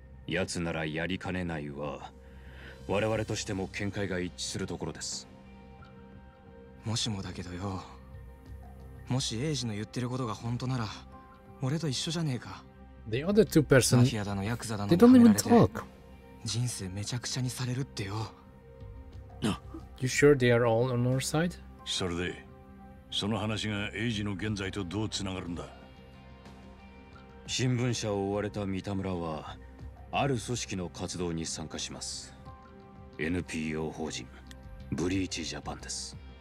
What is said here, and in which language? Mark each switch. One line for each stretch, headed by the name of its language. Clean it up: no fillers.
Japanese: 奴ならやりかねないは我々としても見解が一致するところです。もしもだけどよ、もしエイジの言ってることが本当なら、俺と一緒じゃねえか。
English: The other two person,
Japanese: マフィアだのヤクザだの、
English: they don't even talk.
Japanese: 人生めちゃくちゃにされるってよ。
English: You sure they are all on our side?
Japanese: それで、その話がエイジの現在とどうつながるんだ。新聞社を追われた三田村は、ある組織の活動に参加します。 NPO 法人、ブリーチジャパンです。